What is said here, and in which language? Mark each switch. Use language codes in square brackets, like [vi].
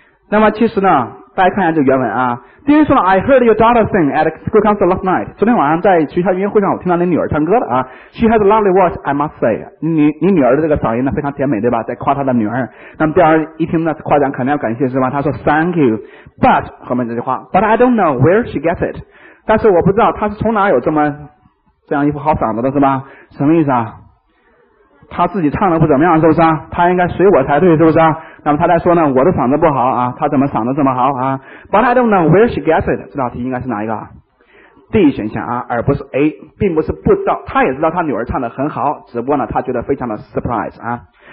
[zh] 那么其实呢，大家看一下这个原文啊。第一说呢 [en] ，I heard your daughter sing at school concert last night。 [zh] 昨天晚上在学校音乐会上，我听到你女儿唱歌了啊。 [en] She has a lovely voice, I must say。 [zh] 你女儿的这个嗓音呢非常甜美，对吧？在夸她的女儿。那么第二一听呢，夸奖肯定要感谢，是吧？她说 [en] Thank you, but [zh] 后面这句话 [en] ，But I don't know where she gets it。 [zh] 但是我不知道她是从哪有这么。这样一副好嗓子的是吧？什么意思啊？他自己唱的不怎么样是不是啊？他应该随我才对是不是啊？那么他在说呢，我的嗓子不好啊，他怎么嗓子这么好啊 ？ [en] But I don't know where she gets it。 [zh] 这道题应该是哪一个 ？D 选项啊，而不是 A， 并不是不知道，他也知道他女儿唱的很好，只不过呢，他觉得非常的 surprise 啊。